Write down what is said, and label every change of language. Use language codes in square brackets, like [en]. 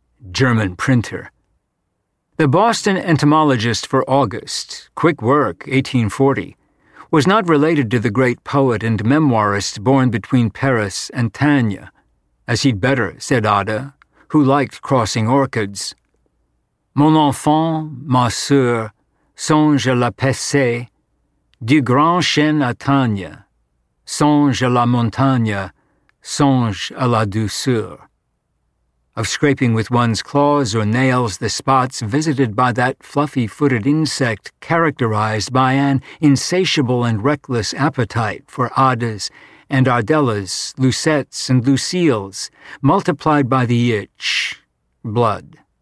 [en] German printer. The Boston entomologist for August, quick work, 1840, was not related to the great poet and memoirist born between Paris and Tanya, as he'd better, said Ada, who liked crossing orchids. [fr] Mon enfant, ma sœur, songe à la pêche, du grand chêne à Tanya, songe à la montagne, songe à la douceur. [en] Of scraping with one's claws or nails the spots visited by that fluffy-footed insect characterized by an insatiable and reckless appetite for Ada's and Ardella's, Lucette's and Lucille's, multiplied by the itch, blood.